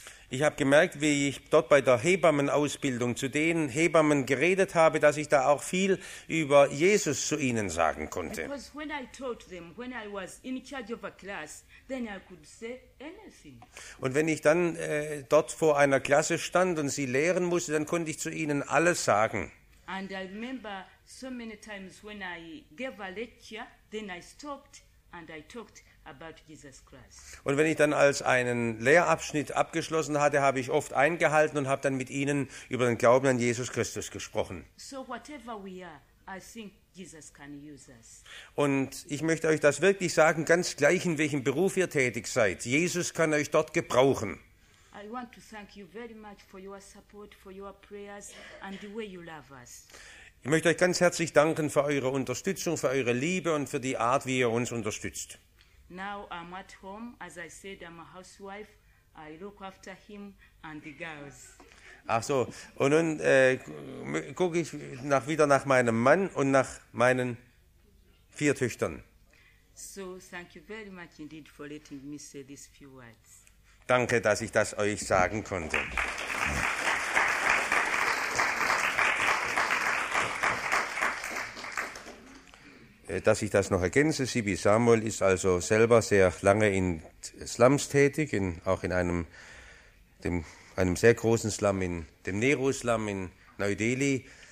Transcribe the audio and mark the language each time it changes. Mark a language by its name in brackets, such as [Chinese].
[German] Ich habe gemerkt, wie ich dort bei der Hebammenausbildung zu den Hebammen geredet habe, dass ich da auch viel über Jesus zu ihnen sagen konnte. Und wenn ich dann dort vor einer Klasse stand und sie lehren musste, dann konnte ich zu ihnen alles sagen. [English] And I remember so many times when I gave a lecture, then I stopped and I talked about Jesus Christ. [German] Und wenn ich dann als einen Lehrabschnitt abgeschlossen hatte, habe ich oft eingehalten und habe dann mit ihnen über den Glauben an Jesus Christus gesprochen. [English] So whatever we are, I think Jesus can use us. [German] Und ich möchte euch das wirklich sagen, ganz gleich in welchem Beruf ihr tätig seid, Jesus kann euch dort gebrauchen. [English] I want to thank you very much for your support, for your prayers and the way you love us. [German] Ich möchte euch ganz herzlich danken für eure Unterstützung, für eure Liebe und für die Art, wie ihr uns unterstützt. [English] Now I'm at home, as I said, I'm a housewife. I look after him and the girls. [German] Ach so, und nun gucke ich wieder nach meinem Mann und nach meinen vier Töchtern. [English] So thank you very much indeed for letting me say these few words. [German] Danke, dass ich das euch sagen konnte. Dass ich das noch ergänze, Sibi Samuel ist also selber sehr lange in Slums tätig, auch in einem sehr großen Slum, in dem Nehru-Slum in Neu-Delhi.